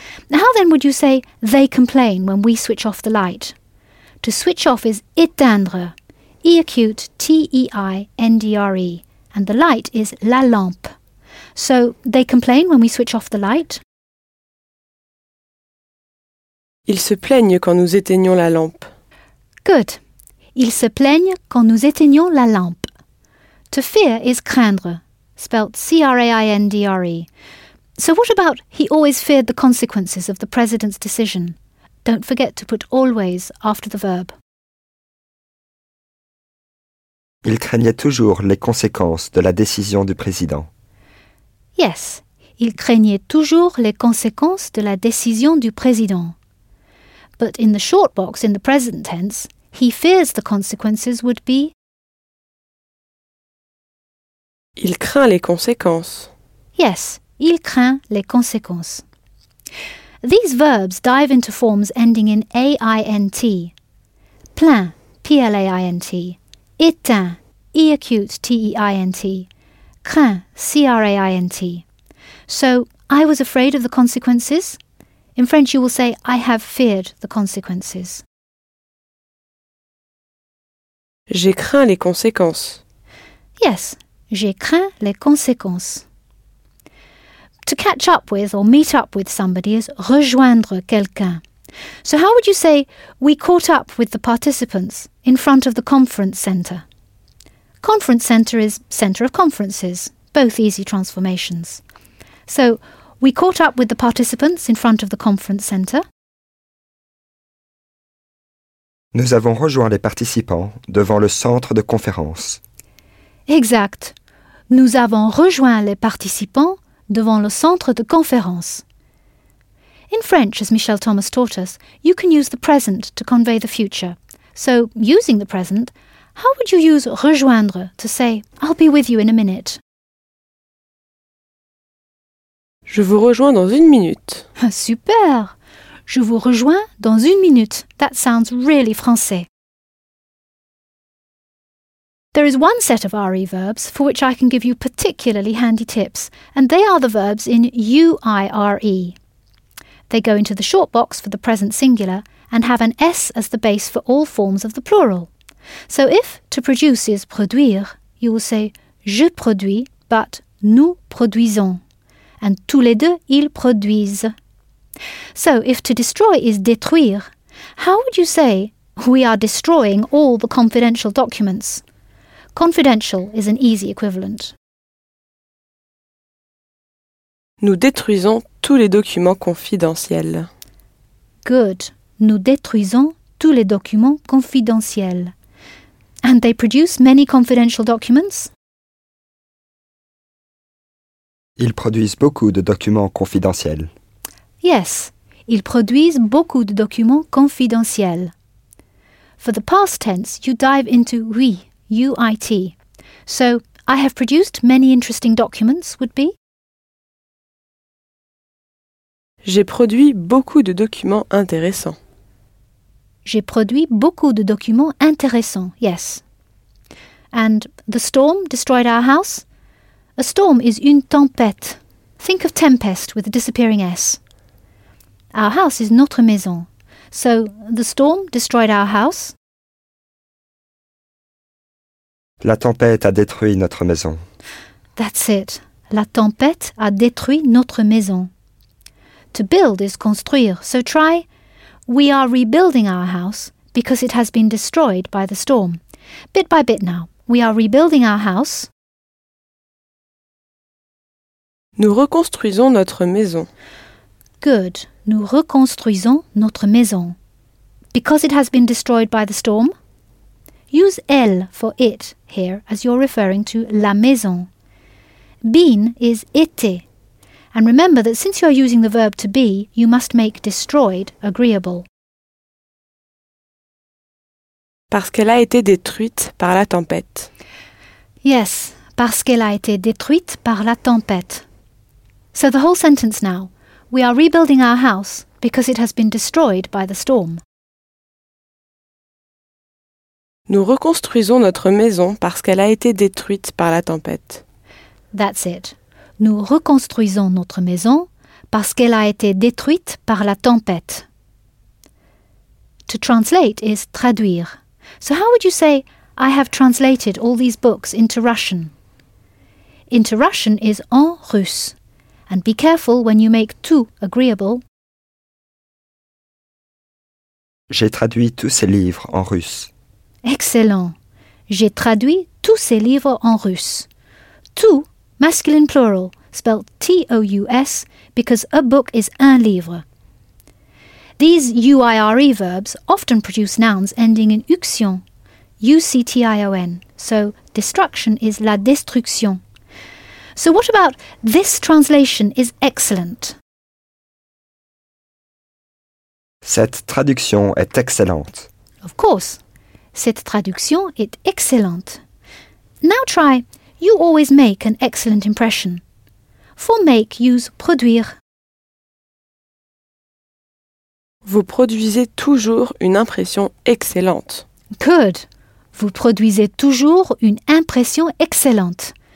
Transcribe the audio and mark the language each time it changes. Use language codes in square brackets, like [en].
[en] How then would you say they complain when we switch off the light? To switch off is éteindre, e acute T-E-I-N-D-R-E, and the light is la lampe. So, they complain when we switch off the light? [fr] Ils se plaignent quand nous éteignons la lampe. [en] Good. [fr] Ils se plaignent quand nous éteignons la lampe. [en] To fear is craindre, spelt C-R-A-I-N-D-R-E. So what about he always feared the consequences of the president's decision? Don't forget to put always after the verb. [fr] Il craignait toujours les conséquences de la décision du président. Yes, il craignait toujours les conséquences de la décision du président. [en] But in the short box in the present tense, he fears the consequences would be... [fr] Il craint les conséquences. Yes, il craint les conséquences. [en] These verbs dive into forms ending in aint. Plaint, plaint. Éteint, e-acute, t-e-i-n-t. Craint, c-r-a-i-n-t. So, I was afraid of the consequences? In French, you will say, I have feared the consequences. [fr] J'ai craint les conséquences. Yes, j'ai craint les conséquences. [en] To catch up with or meet up with somebody is rejoindre quelqu'un. So how would you say, we caught up with the participants in front of the conference centre? Conference centre is centre of conferences, both easy transformations. So, we caught up with the participants in front of the conference centre. [fr] Nous avons rejoint les participants devant le centre de conférence. Exact. Nous avons rejoint les participants devant le centre de conférence. [en] In French, as Michel Thomas taught us, you can use the present to convey the future. So, using the present, how would you use rejoindre to say, I'll be with you in a minute? [fr] Je vous rejoins dans une minute. [en] Super! [fr] Je vous rejoins dans une minute. [en] That sounds really français. There is one set of RE verbs for which I can give you particularly handy tips, and they are the verbs in UIRE. They go into the short box for the present singular and have an S as the base for all forms of the plural. So if to produce is produire, you will say [fr] je produis, [en] but [fr] nous produisons. And tous les deux, ils produisent. [en] So, if to destroy is détruire, how would you say, we are destroying all the confidential documents? Confidential is an easy equivalent. [fr] Nous détruisons tous les documents confidentiels. [en] Good. [fr] Nous détruisons tous les documents confidentiels. [en] And they produce many confidential documents? [fr] Ils produisent beaucoup de documents confidentiels. Yes, ils produisent beaucoup de documents confidentiels. [en] For the past tense, you dive into oui, U-I-T. So, I have produced many interesting documents would be? [fr] J'ai produit beaucoup de documents intéressants. J'ai produit beaucoup de documents intéressants, yes. [en] And the storm destroyed our house? A storm is une tempête. Think of tempest with a disappearing S. Our house is notre maison. So, the storm destroyed our house. [fr] La tempête a détruit notre maison. [en] That's it. [fr] La tempête a détruit notre maison. [en] To build is construire. So try, we are rebuilding our house because it has been destroyed by the storm. Bit by bit now. We are rebuilding our house. [fr] Nous reconstruisons notre maison. [en] Good. [fr] Nous reconstruisons notre maison. [en] Because it has been destroyed by the storm? Use elle for it here as you're referring to la maison. been is été. And remember that since you are using the verb to be, you must make destroyed agreeable. [fr] Parce qu'elle a été détruite par la tempête. Yes, parce qu'elle a été détruite par la tempête. [en] So the whole sentence now. We are rebuilding our house because it has been destroyed by the storm. [fr] Nous reconstruisons notre maison parce qu'elle a été détruite par la tempête. [en] That's it. [fr] Nous reconstruisons notre maison parce qu'elle a été détruite par la tempête. [en] To translate is traduire. So how would you say, I have translated all these books into Russian? Into Russian is en russe. And be careful when you make tout agreeable. [fr] J'ai traduit tous ces livres en russe. [en] Excellent. [fr] J'ai traduit tous ces livres en russe. [en] Tout, masculine plural, spelled T-O-U-S, because a book is un livre. These U-I-R-E verbs often produce nouns ending in uction, U-C-T-I-O-N. So, destruction is la destruction. So what about this translation is excellent? [fr] Cette traduction est excellente. [en] Of course. [fr] Cette traduction est excellente. [en] Now try. You always make an excellent impression. For make, use produire. [fr] Vous produisez toujours une impression excellente. [en] Good. [fr] Vous produisez toujours une impression excellente.